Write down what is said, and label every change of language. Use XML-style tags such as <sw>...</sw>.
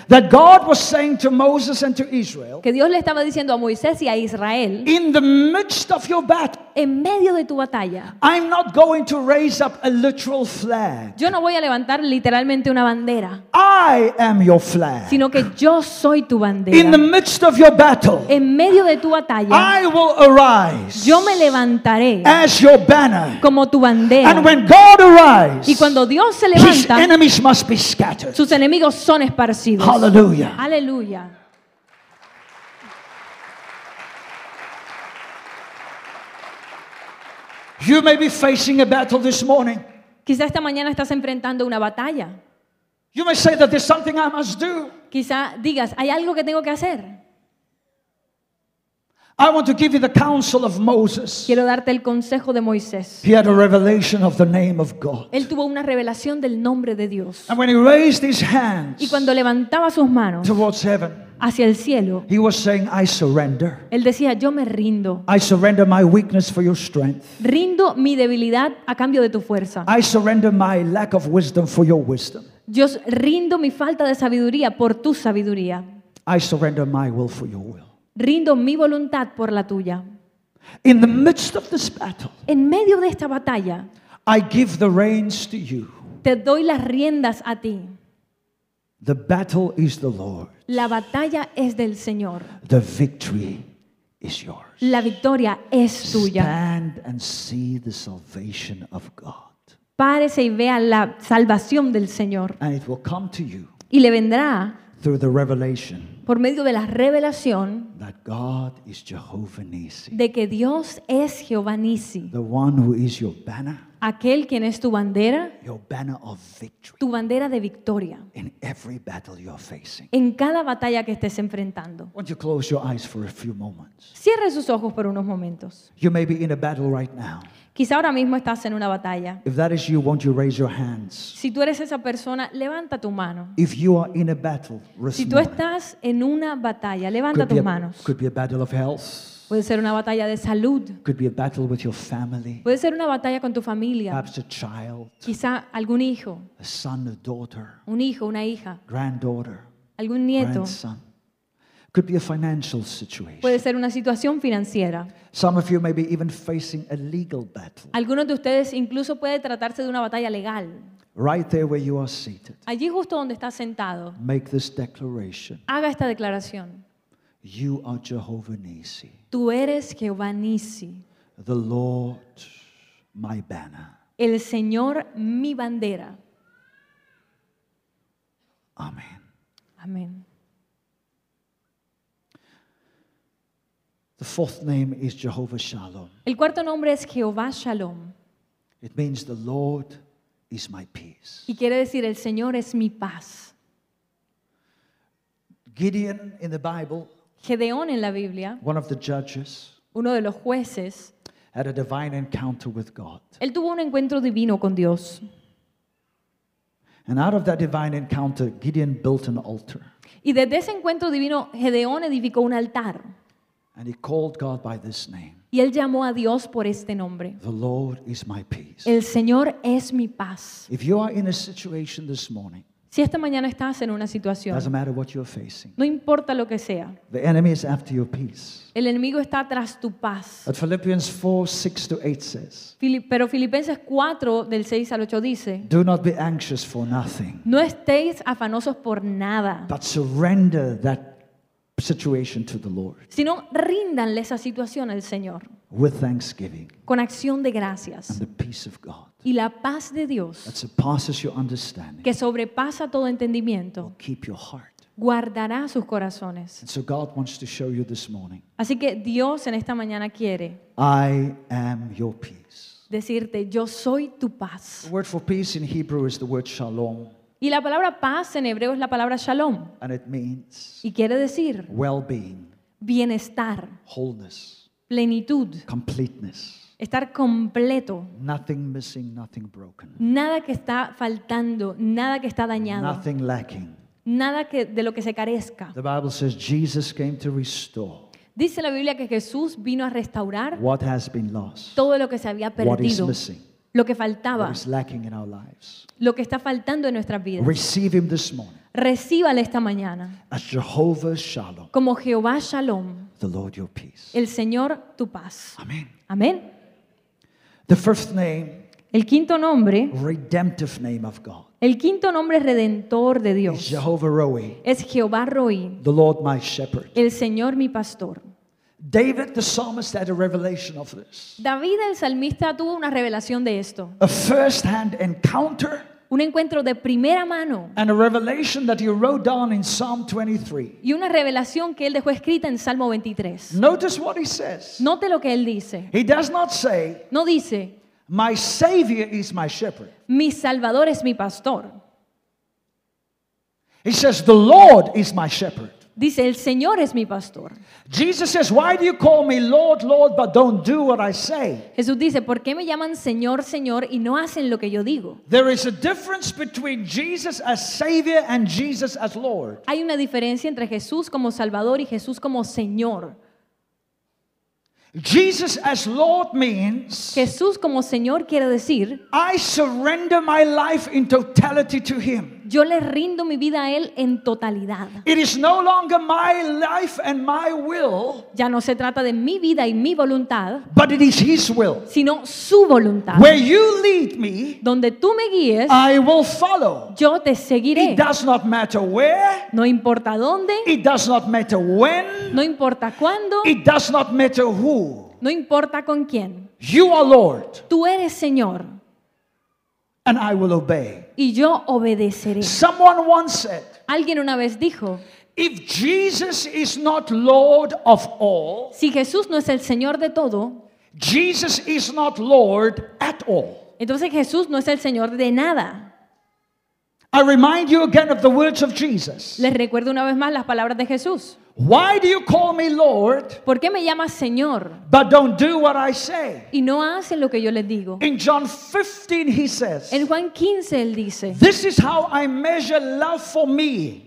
<en>That God was saying to Moses and to Israel.</en> <es>Que Dios le estaba diciendo a Moisés y a Israel.</es> <en>In the midst of your battle.</en> <es>En medio de tu batalla.</es> <en>I'm not going to raise up a literal flag.</en> <es>Yo no voy a levantar literalmente una bandera.</es> <en>I am your flag.</en> <es>Sino que yo soy tu bandera.</es> <en>In the midst of your battle.</en> <es>En medio de tu batalla.</es> <en>I will arise.</en> <es>Yo me levantaré</es> <en>as your banner.</en> <es>Como tu bandera.</es> <en>And when God arises,</en> <es>y cuando Dios se levanta,</es> <en>his enemies must be scattered.</en> <es>Sus enemigos son esparcidos.</es> <en>Hallelujah.</en> <es>Hallelujah.</es> <en>You may be facing a battle this morning.</en> <es>Quizá esta mañana estás enfrentando una batalla.</es> <en>You may say that there's something I must do.</en> <es>Quizá digas, hay algo que tengo que hacer.</es> <en>I want to give you the counsel of Moses.</en> <es>Quiero darte el consejo de Moisés.</es> <en>He had a revelation of the name of God.</en> <es>Él tuvo una revelación del nombre de Dios.</es> <en>And when he raised his hands,</en> <es>y cuando levantaba sus manos,</es> <en>towards heaven,</en> <es>hacia el cielo,</es> <en>he was saying, I surrender.</en> <es>Él decía, yo me rindo.</es> <en>I surrender my weakness for your strength.</en> <es>Rindo mi debilidad a cambio de tu fuerza.</es> <en>I surrender my lack of wisdom for your wisdom.</en> <es>Yo rindo mi falta de sabiduría por tu sabiduría.</es> <en>I surrender my will for your will.</en> <es>Rindo mi voluntad por la tuya.</es> <en>In the midst of this battle,</en> <es>en medio de esta batalla,</es> <en>I give the reins to you.</en> <es>Te doy las riendas a ti.</es> <en>The battle is the Lord's.</en> <es>La batalla es del Señor.</es> <en>The victory is yours.</en> <es>La victoria es tuya.</es> <en>Stand and see the salvation of God.</en> <es>Párese y vea la salvación del Señor.</es> <en>And it will come to you.</en> <es>Y le vendrá.</es> <en>through the revelation,</en> <es>por medio de la revelación,</es> <en>that God is Jehovah Nissi,</en> <es>de que Dios es Jehová Nissi,</es> <en>the one who is your banner,</en> <es>aquel quien es tu bandera,</es> <en>your banner of victory,</en> <es>tu bandera de victoria,</es> <en>in every battle you're facing,</en> <es>en cada batalla que estés enfrentando.</es> <en>Won't you close your eyes for a few moments?</en> <es>Cierre sus ojos por unos momentos.</es> <en>You may be in a battle right now.</en> <es>Quizá ahora mismo estás en una batalla.</es> <en>If that is you, won't you raise your hands?</en> <es>Si tú eres esa persona, levanta tu mano.</es> <en>If you are in a battle,</en> <es>si tú estás en una batalla, levanta tus manos.</es> <en>Could be a battle of health.</en> <es>Puede ser una batalla de salud.</es> <en>Could be a battle with your family.</en> <es>Puede ser una batalla con tu familia.</es> <en>Perhaps a child.</en> <es>Quizá algún hijo.</es> <en>A son, a daughter.</en> <es>Un hijo, una hija.</es> <en>Granddaughter.</en> <es>Algún nieto.</es> <en>Grandson. Could be a financial situation.</en> <es>Puede ser una situación financiera.</es> <en>Some of you may be even facing a legal battle.</en> <es>Algunos de ustedes incluso puede tratarse de una batalla legal.</es> <en>Right there where you are seated.</en> <es>Allí justo donde estás sentado.</es> <en>Make this declaration.</en> <es>Haga esta declaración.</es> <en>You are Jehovah Nissi.</en> <es>Tú eres Jehová Nissi.</es> <en>The Lord, my banner.</en> <es>El Señor, mi bandera.</es> <en>Amen.</en> <es>Amen.</es> <en>The fourth name is Jehovah Shalom.</en> <es>El cuarto nombre es Jehová Shalom.</es> <en>It means the Lord is my peace.</en> <es>Y quiere decir el Señor es mi paz.</es> <en>Gideon in the Bible.</en> <es>Gedeón en la Biblia.</es> <en>One of the judges.</en> <es>Uno de los jueces.</es> <en>Had a divine encounter with God.</en> <es>Él tuvo un encuentro divino con Dios.</es> <en>And out of that divine encounter, Gideon built an altar.</en> <es>Y desde ese encuentro divino, Gedeón edificó un altar.</es> <en>And he called God by this name.</en> <es>Y él llamó a Dios por este nombre.</es> <en>The Lord is my peace.</en> <es>El Señor es mi paz.</es> <en>If you are in a situation this morning,</en> <es>si esta mañana estás en una situación,</es> <en>doesn't matter what you're facing,</en> <es>no importa lo que sea,</es> <en>the enemy is after your peace.</en> <es>El enemigo está tras tu paz.</es> <en>But Philippians 4:6-8 says,</en> <es>pero Filipenses 4 del 6 al 8 dice,</es> <en>do not be anxious for nothing,</en> <es>no estéis afanosos por nada,</es> <en>but surrender that situation to the Lord.</en> <es>Sino ríndanle esa situación al Señor.</es> <en>With thanksgiving.</en> <es>Con acción de gracias.</es> <en>And the peace of God.</en> <es>Y la paz de Dios.</es> <en>That surpasses your understanding.</en> <es>Que sobrepasa todo entendimiento.</es> <en>Will keep your heart.</en> <es>Guardará sus corazones.</es> <en>And so God wants to show you this morning.</en> <es>Así que Dios en esta mañana quiere.</es> <en>I am your peace.</en> <es>Decirte yo soy tu paz.</es> <en>The word for peace in Hebrew is the word shalom.</en> <es>Y la palabra paz en hebreo es la palabra shalom.</es> <en>And it means,</en> <es>y quiere decir,</es> <en>well-being,</en> <es>bienestar,</es> <en>wholeness,</en> <es>plenitud,</es> <en>completeness,</en> <es>estar completo,</es> <en>nothing missing, nothing broken,</en> <es>nada que está faltando, nada que está dañado,</es> <en>nothing lacking,</en> <es>nada que, de lo que se carezca.</es> <en>The Bible says Jesus came to restore.</en> <es>Dice la Biblia que Jesús vino a restaurar</es> <en>what has been lost,</en> <es>todo lo que se había perdido,</es> <en>what is missing,</en> <es>lo que faltaba,</es> <en>what is lacking in our lives,</en> <es>lo que está faltando en nuestras vidas.</es> <en>Receive him this morning.</en> <es>Recíbale esta mañana.</es> <en>As Jehovah Shalom.</en> <es>Como Jehová Shalom.</es> <en>The Lord your peace.</en> <es>El Señor tu paz.</es> <en>Amen.</en> <es>Amen.</es> <en>The fifth name.</en> <es>El quinto nombre.</es> <en>Redemptive name of God.</en> <es>El quinto nombre redentor de Dios.</es> <en>Is Jehovah Roi.</en> <es>Es Jehová Roi.</es> <en>The Lord my shepherd.</en> <es>El Señor mi pastor.</es> <en>David the psalmist had a revelation of this.</en> <es>David el salmista tuvo una revelación de esto.</es> <en>A first hand encounter.</en> <es>Un encuentro de primera mano.</es> <en>And a revelation that he wrote down in Psalm 23.</en> <es>Y una revelación que él dejó escrita en Salmo 23.</es> <en>Notice what he says.</en> <es>Note lo que él dice.</es> <en>He does not say.</en> <es>No dice.</es> <en>My savior is my shepherd.</en> <es>Mi salvador es mi pastor.</es> <en>He says the Lord is my shepherd.</en> <es>Dice, el Señor es mi pastor.</es> <en>Jesus says, why do you call me Lord, Lord, but don't do what I say?</en> <es>Jesús dice, ¿por qué me llaman Señor, Señor y no hacen lo que yo digo?</es> <en>There is a difference between Jesus as Savior and Jesus as Lord.</en> <es>Hay una diferencia entre Jesús como Salvador y Jesús como Señor.</es> <en>Jesus as Lord means,</en> <es>Jesús como Señor quiere decir,</es> <en>I surrender my life in totality to him.</en> <es>Yo le rindo mi vida a él en totalidad.</es> <en>It is no longer my life and my will.</en> <es>Ya no se trata de mi vida y mi voluntad.</es> <en>But it is his will.</en> <es>Sino su voluntad.</es> <en>Where you lead me,</en> <es>donde tú me guíes,</es> <en>I will follow.</en> <es>Yo te seguiré.</es> <en>It does not matter where.</en> <es>No importa dónde.</es> <en>It does not matter when.</en> <es>No importa cuándo.</es> <en>It does not matter who.</en> <es>No importa con quién.</es> <en>You are Lord.</en> <es>Tú eres Señor.</es> <en>and I will obey.</en> <es>Y yo obedeceré.</es> <en>Someone once said,</en> <es>alguien una vez dijo,</es> <en>if Jesus is not Lord of all,</en> <es>si Jesús no es el Señor de todo,</es> <en>Jesus is not Lord at all.</en> <es>Entonces Jesús no es el Señor de nada.</es> <en>I remind you again of the words of Jesus.</en> <es>Les recuerdo una vez más las palabras de Jesús.</es> <en>Why do you call me Lord?</en> <es>¿Por qué me llamas Señor?</es> <en>But don't do what I say.</en> <es>Y no hacen lo que yo les digo.</es> <en>In John 15 he says.</en> <es>En Juan 15 él dice.</es> <en>This is how I measure love for me.</en>